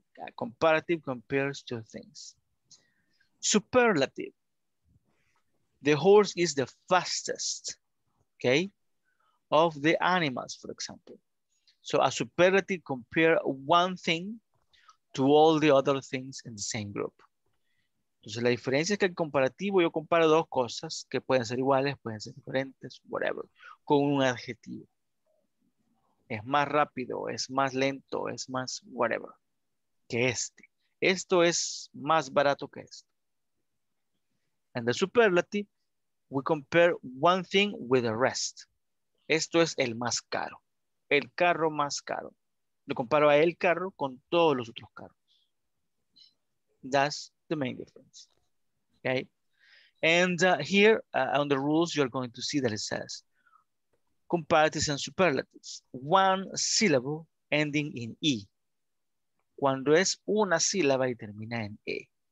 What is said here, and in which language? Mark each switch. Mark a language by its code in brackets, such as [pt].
[en] A comparative compares two things. Superlative, the horse is the fastest. Okay? Of the animals, for example. So a superlative compare one thing to all the other things in the same group. [es] Entonces la diferencia es que el comparativo, yo comparo dos cosas que pueden ser iguales, pueden ser diferentes, whatever, con un adjetivo. Es más rápido, es más lento, es más whatever que este. Esto es más barato que esto. [en] And the superlative, we compare one thing with the rest. [es] Esto es el más caro. El carro más caro. Lo comparo a el carro con todos los otros carros. [en] That's the main difference. Okay? And here, on the rules, you're going to see that it says comparatives and superlatives. One syllable ending in E. [es] Cuando es una sílaba y termina en E.